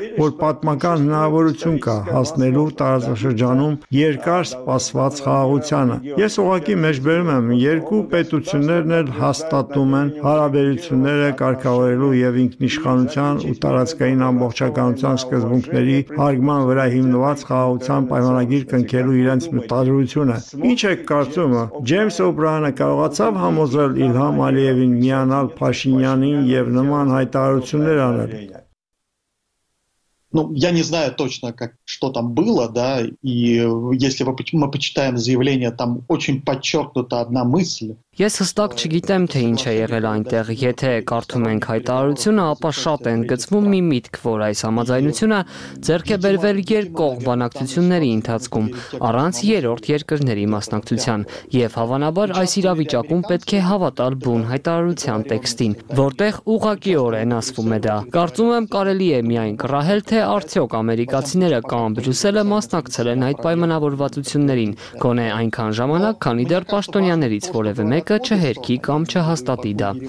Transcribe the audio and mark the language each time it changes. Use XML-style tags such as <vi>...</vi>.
<hy>որ պատմական հնարավորություն կա հասնելու տարածաշրջանում երկար սպասված խաղաղությանը։ Ես ուղղակի մեջբերում եմ, երկու պետություններն էլ հաստատում են հարաբերությունները կարգավորելու և ինքնիշխանության ու տարածքային ամբողջականության սկզբունքների հարգման վրա հիմնված խաղաղության պայմանագիր կնքելու իրենց մտադրությունը։ Ինչ է կարծում, Ջեյմս Օբրայանը կարողացավ համոզել Իլհամ Ալիևին միանալ Փաշինյանին և նման հայտարարություններ անել։</hy> <ru>Ну, я не знаю точно, как что там было, да, и если мы почитаем заявление, там очень подчеркнута одна мысль.</ru> <hy>Ես հստակ չգիտեմ, թե ինչ է եղել այնտեղ, եթե կարդում ենք հայտարարությունը, ապա շատ է ընդգծվում մի միտք, որ այս համաձայնությունը ձեռք է բերվել երկկողմ բանակցությունների ընթացքում, առանց երրորդ երկրների մասնակցության, և հավանաբար այս իրավիճակում պետք է հավատալ բուն հայտարարության տեքստին, որտեղ ուղղակիորեն ասվում է դա։ Կարծում եմ, կարելի է միայն կռահել, թե արդյոք ամերիկացիները կամ Բրյուսելը մասնակցել են այդ պայմանավորվածություններին, գոնե այնքան ժամանակ, քանի դեռ պաշտոնյաներից որևէ մեկը չհերքի կամ չհաստատի դա։</hy>